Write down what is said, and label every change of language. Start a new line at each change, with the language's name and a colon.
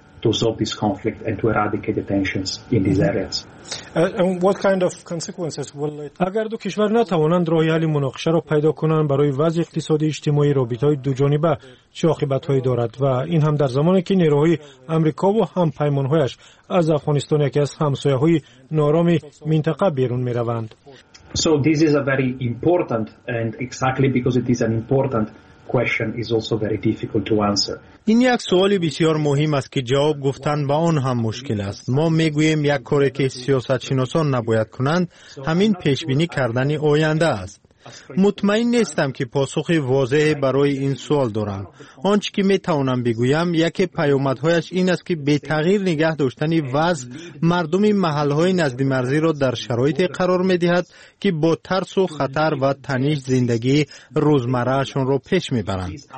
English: To solve this conflict and to eradicate the tensions in these areas. And what kind of consequences will it?
Persian: اگر دو کشور نتوانند راه حل مناقشه را پیدا کنند، برای وضع اقتصادی اجتماعی رابطه‌های دو جانبه چه عاقبت‌هایی دارد؟ و این هم در زمانی که نیروهای آمریکا و همپیمان‌هایش از افغانستان، یکی از همسایه‌های نارام منطقه، بیرون می‌روند.
English: So this is a very important, and exactly because it is an important question is also very difficult to answer.
Persian: این یک سوال بسیار مهم است که جواب گفتن به آن هم مشکل است. ما میگوییم یک کاری که سیاست‌شناسان نباید کنند همین پیش‌بینی کردن آینده است. مطمئن نیستم که پاسخ واضح برای این سوال دارم. آنچه که می توانم بگویم، یکی پیامدهایش این است که به تغییر نگه داشتن وضع مردم محل‌های نزد مرزی را در شرایطی قرار می دهد که با ترس و خطر و تنش زندگی روزمره‌شان را پیش می برند.